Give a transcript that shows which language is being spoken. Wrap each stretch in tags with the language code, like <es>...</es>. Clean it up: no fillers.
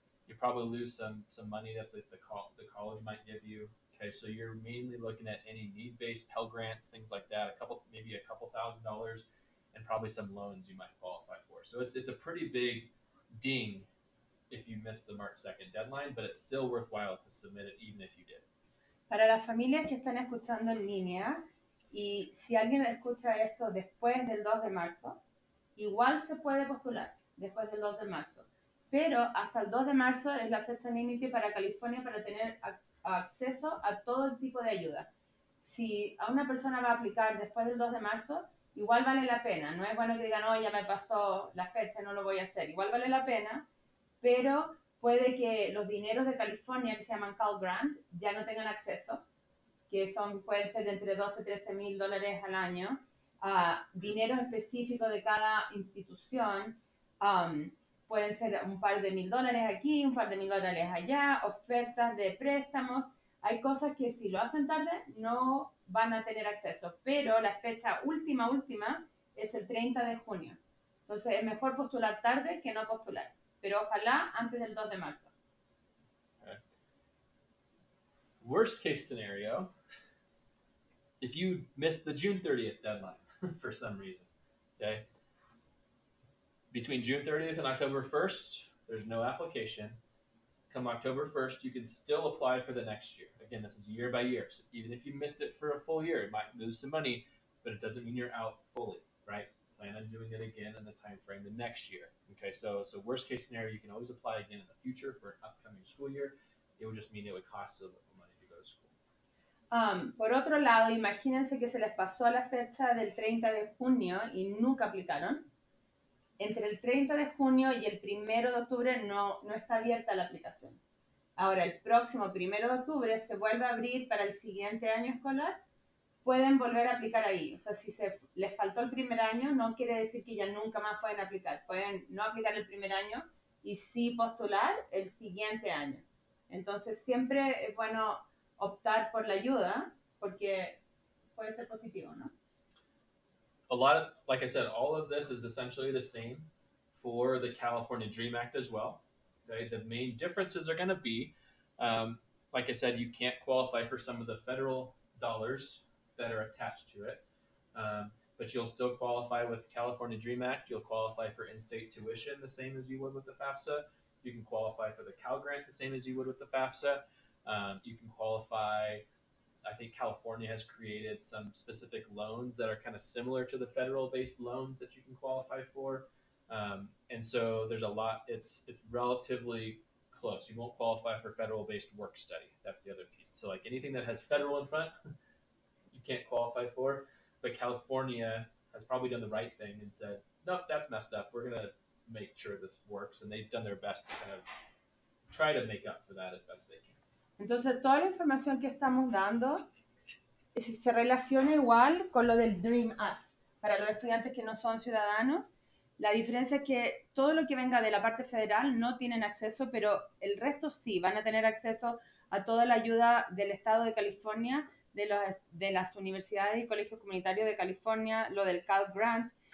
<en>You probably lose some money that the college might give you, okay? So you're mainly looking at any need-based Pell Grants, things like that, maybe a couple thousand dollars, and probably some loans you might qualify for. So it's a pretty big ding if you miss the March 2nd deadline, but it's still worthwhile to submit it even if you did.</en> <es>Para las familias que están escuchando en línea, y si alguien escucha esto después del 2 de marzo, igual se puede postular después del 2 de marzo. Pero hasta el 2 de marzo es la fecha límite para California para tener acceso a todo el tipo de ayuda. Si a una persona va a aplicar después del 2 de marzo, igual vale la pena. No es bueno que digan, oh, ya me pasó la fecha, no lo voy a hacer. Igual vale la pena. Pero puede que los dineros de California, que se llaman Cal Grant, ya no tengan acceso, que pueden ser entre 12 y 13 mil dólares al año, dineros específicos de cada institución, pueden ser un par de mil dólares aquí, un par de mil dólares allá, ofertas de préstamos. Hay cosas que si lo hacen tarde, no van a tener acceso, pero la fecha última es el 30 de junio. Entonces, es mejor postular tarde que no postular. Pero ojalá antes del 2 de marzo.</es> <en>Okay. Worst case scenario, if you miss the June 30th deadline for some reason, okay, between June 30th and October 1st, there's no application. Come October 1st, you can still apply for the next year. Again, this is year by year. So even if you missed it for a full year, you might lose some money, but it doesn't mean you're out fully, right? Plan on doing it again in the time frame the next year. Okay, so worst case scenario, you can always apply again in the future for an upcoming school year. It would just mean it would cost a little money to go to school.</en> <es>Por otro lado, imagínense que se les pasó la fecha del 30 de junio y nunca aplicaron. Entre el 30 de junio y el 1 de octubre no está abierta la aplicación. Ahora, el próximo 1 de octubre se vuelve a abrir para el siguiente año escolar. Pueden volver a aplicar ahí. O sea, si se les faltó el primer año, no quiere decir que ya nunca más pueden aplicar. Pueden no aplicar el primer año y sí postular el siguiente año. Entonces, siempre es bueno optar por la ayuda porque puede ser positivo, ¿no?</es> <en>A lot of, like I said, all of this is essentially the same for the California Dream Act as well. Right? The main differences are going to be, like I said, you can't qualify for some of the federal dollars that are attached to it, but you'll still qualify with California Dream Act. You'll qualify for in-state tuition the same as you would with the FAFSA. You can qualify for the Cal Grant the same as you would with the FAFSA. You can qualify. I think California has created some specific loans that are kind of similar to the federal-based loans that you can qualify for. And so there's a lot, it's relatively close. You won't qualify for federal-based work study. That's the other piece. So like anything that has federal in front, you can't qualify for. But California has probably done the right thing and said, nope, that's messed up. We're going to make sure this works. And they've done their best to kind of try to make up for that as best they can.</en> <es>Entonces, toda la información que estamos dando se relaciona igual con lo del Dream Act para los estudiantes que no son ciudadanos. La diferencia es que todo lo que venga de la parte federal no tienen acceso, pero el resto sí van a tener acceso a toda la ayuda del Estado de California, de las universidades y colegios comunitarios de California, lo del Cal Grant.</es>